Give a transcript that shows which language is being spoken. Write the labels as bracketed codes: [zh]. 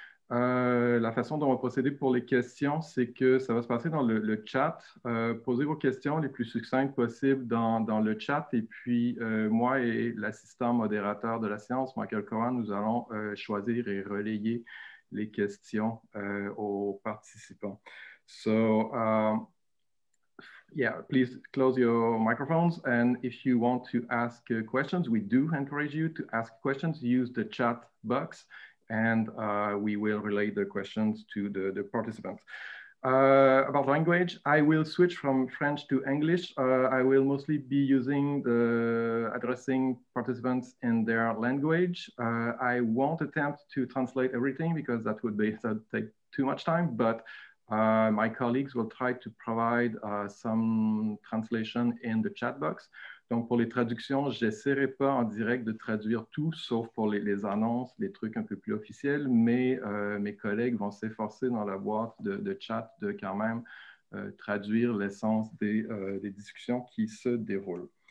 [fr] La façon dont on va procéder pour les questions, c'est que ça va se passer dans le chat. Posez vos questions les plus succinctes possibles dans le chat. Et puis, moi et l'assistant modérateur de la séance, Michael Cohen, nous allons choisir et relayer les questions aux participants. [en] So, yeah, please close your microphones, and if you want to ask questions, we do encourage you to ask questions, use the chat box, and we will relay the questions to the participants. About language, I will switch from French to English. I will mostly be addressing participants in their language. I won't attempt to translate everything because that would take too much time, but my colleagues will try to provide some translation in the chat box. [fr] Donc, pour les traductions, j'essaierai pas en direct de traduire tout, sauf pour les annonces, les trucs un peu plus officiels, mais mes collègues vont s'efforcer dans la boîte de chat de quand même traduire l'essence des discussions qui se déroulent.